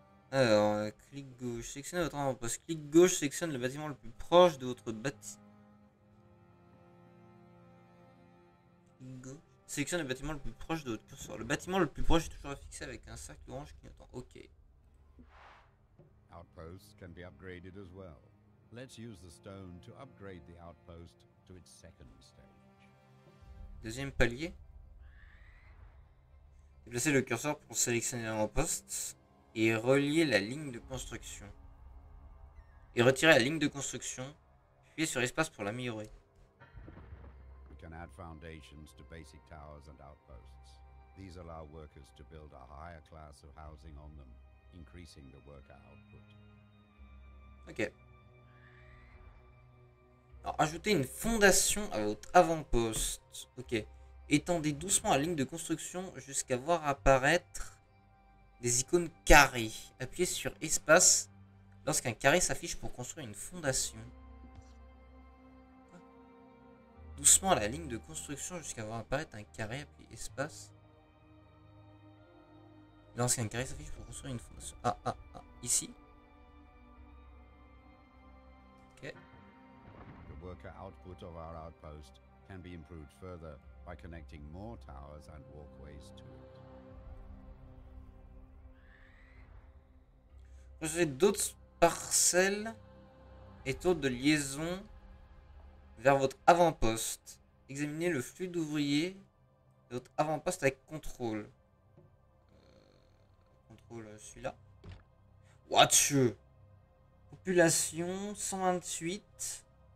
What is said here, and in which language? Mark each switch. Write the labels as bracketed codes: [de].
[fr] Alors, clic gauche, sélectionnez votre avant-poste. Clic gauche, sélectionne le bâtiment le plus proche de votre bâtiment. Sélectionne le bâtiment le plus proche de votre curseur. Le bâtiment le plus proche est toujours affixé avec un cercle orange qui attend. Ok. [en] Outposts can be upgraded as well. Let's use the stone to upgrade the outpost to its second stage. [fr] Deuxième palier. Déplacez le curseur pour sélectionner un poste et relier la ligne de construction. Et retirer la ligne de construction. Appuyez sur espace pour l'améliorer. [en] We can add foundations to basic towers and outposts. These allow workers to build a higher class of housing on them, increasing the worker output. Ok. [fr] Alors, ajoutez une fondation à votre avant-poste. Ok. Étendez doucement la ligne de construction jusqu'à voir apparaître des icônes carrées. Appuyez sur espace lorsqu'un carré s'affiche pour construire une fondation. Doucement la ligne de construction jusqu'à voir apparaître un carré. Appuyez espace lorsqu'un carré s'affiche pour construire une fondation. Ah, ah, ah. Ici. Ok. [en] The worker output of our outpost can be improved further by connecting more towers and walkways to it. [fr] Construisez d'autres parcelles et tours de liaison vers votre avant-poste. Examinez le flux d'ouvriers de votre avant-poste avec contrôle. Contrôle celui-là. Watch. Population 128.